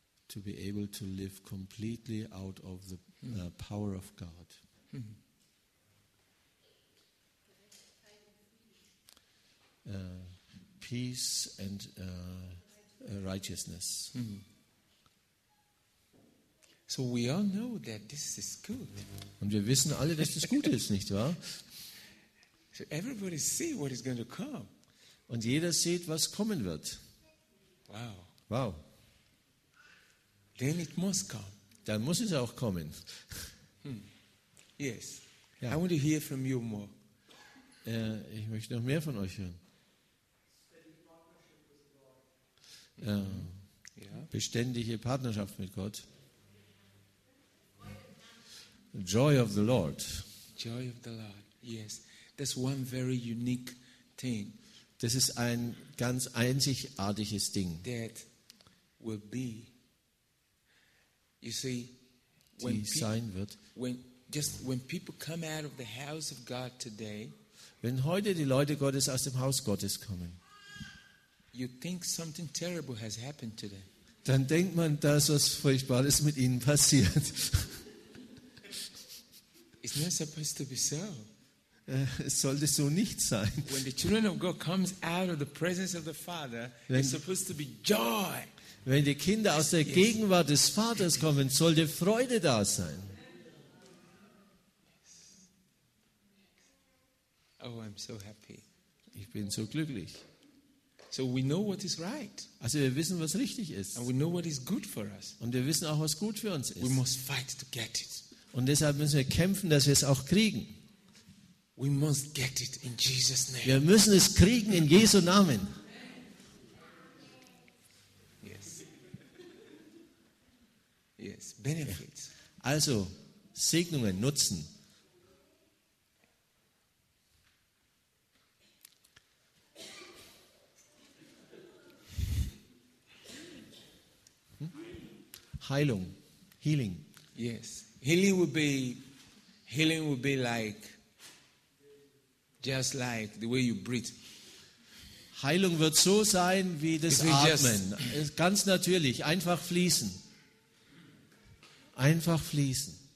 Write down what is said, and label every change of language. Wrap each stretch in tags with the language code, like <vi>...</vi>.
<en>To be able to live completely out of the power of God. Peace and righteousness. Mm-hmm. So we all know that this is good.</en> <de>Und wir wissen alle, dass das gut ist, nicht wahr?</de> <en>So everybody see what is going to come.</en> <de>Und jeder sieht, was kommen wird. Wow. Wow.</de> <en>Then it must come.</en> <de>Dann muss es auch kommen.</de> <en>Yes. Yeah. I want to hear from you more.</en> <de>Ich möchte noch mehr von euch hören. Beständige Partnerschaft mit Gott.</de> <en>Joy of the Lord. Joy of the Lord. Yes, that's one very unique thing.</en> <de>Das ist ein ganz einzigartiges Ding.</de> <en>That will be. You see,</en> <de>when die sein wird.</de> <en>When people come out of the house of God today.</en> <de>Wenn heute die Leute Gottes aus dem Haus Gottes kommen.</de> <en>You think something terrible has happened to them.</en> <de>Dann denkt man, dass was Furchtbares mit ihnen passiert.</de> <en>It's not supposed to be so.</en> <de>Es sollte so nicht sein.</de> <en>When the children of God comes out of the presence of the Father, it's supposed to be joy.</en> <de>Wenn die Kinder aus der Gegenwart des Vaters kommen, sollte Freude da sein.</de> <en>Oh, I'm so happy.</en> <de>Ich bin so glücklich.</de> <en>So we know what is right.</en> <de>Also wir wissen, was richtig ist.</de> <en>And we know what is good for us.</en> <de>Und wir wissen auch, was gut für uns ist.</de> <en>We must fight to get it.</en> <de>Und deshalb müssen wir kämpfen, dass wir es auch kriegen.</de> <en>We must get it in Jesus' name.</en> <de>Wir müssen es kriegen in Jesu Namen.</de> <en>Yes. Yes. Benefits.</en> <de>Also Segnungen nutzen. Heilung, Healing.</de> <en>Yes, healing would be, like, just like the way you breathe.</en> <de>Heilung wird so sein wie das Atmen, ganz natürlich, einfach fließen, einfach fließen.</de>